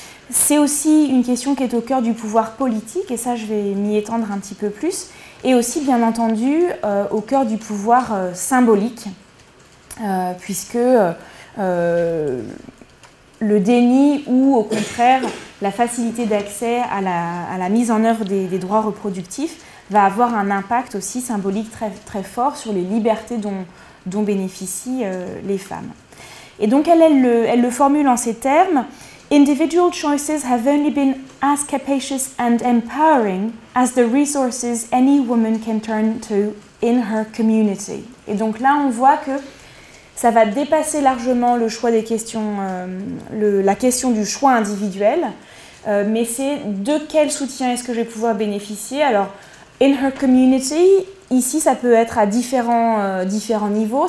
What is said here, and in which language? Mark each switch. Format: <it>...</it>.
<fr>C'est aussi une question qui est au cœur du pouvoir politique, et ça je vais m'y étendre un petit peu plus, et aussi bien entendu au cœur du pouvoir symbolique, puisque le déni ou au contraire la facilité d'accès à la mise en œuvre des droits reproductifs va avoir un impact aussi symbolique très, très fort sur les libertés dont bénéficient les femmes. Et donc elle le formule en ces termes:</fr> <en>Individual choices have only been as capacious and empowering as the resources any woman can turn to in her community.</en> <fr>Et donc là on voit que ça va dépasser largement le choix des questions, la question du choix individuel, mais c'est de quel soutien est-ce que je vais pouvoir bénéficier. Alors,</fr> <en>in her community,</en> <fr>ici, ça peut être à différents niveaux.</fr>